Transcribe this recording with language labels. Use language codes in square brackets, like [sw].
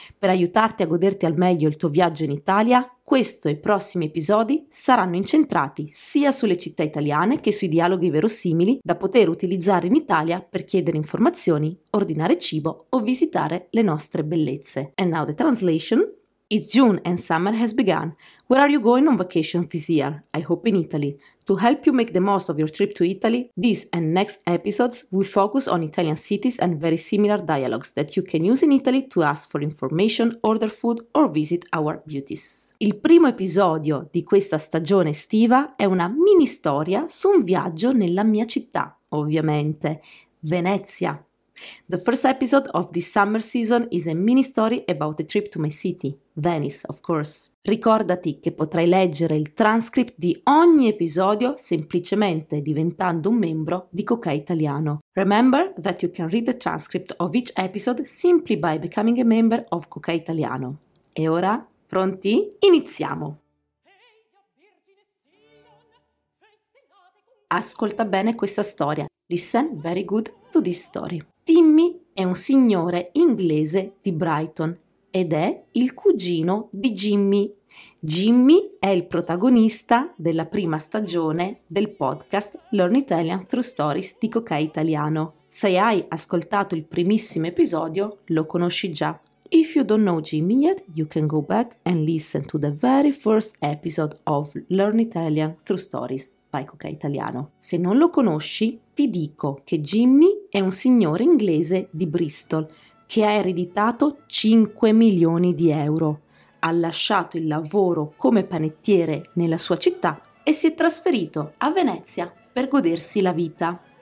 [it] Per aiutarti a goderti al meglio il tuo viaggio in Italia, questo e i prossimi episodi saranno incentrati sia sulle città italiane che sui dialoghi verosimili da poter utilizzare in Italia per chiedere informazioni, ordinare cibo o visitare le nostre bellezze. [en] And now the translation. It's June and summer has begun. Where are you going on vacation this year? I hope in Italy. To help you make the most of your trip to Italy, this and next episodes will focus on Italian cities and very similar dialogues that you can use in Italy to ask for information, order food or visit our beauties. [it] Il primo episodio di questa stagione estiva è una mini storia su un viaggio nella mia città, ovviamente, Venezia. [en] The first episode of this summer season is a mini story about a trip to my city, Venice, of course. [it] Ricordati che potrai leggere il transcript di ogni episodio semplicemente diventando un membro di Cocai Italiano. [en] Remember that you can read the transcript of each episode simply by becoming a member of Cocai Italiano. [it] E ora, pronti? Iniziamo! Ascolta bene questa storia. [en] Listen very good to this story. [it] Timmy è un signore inglese di Brighton ed è il cugino di Jimmy. Jimmy è il protagonista della prima stagione del podcast Learn Italian Through Stories di Cocai Italiano. Se hai ascoltato il primissimo episodio, lo conosci già. [en] If you don't know Jimmy yet, you can go back and listen to the very first episode of Learn Italian Through Stories by Cocai Italiano. [it] Se non lo conosci, ti dico che Jimmy è un signore inglese di Bristol che ha ereditato 5 milioni di euro. Ha lasciato il lavoro come panettiere nella sua città e si è trasferito a Venezia per godersi la vita.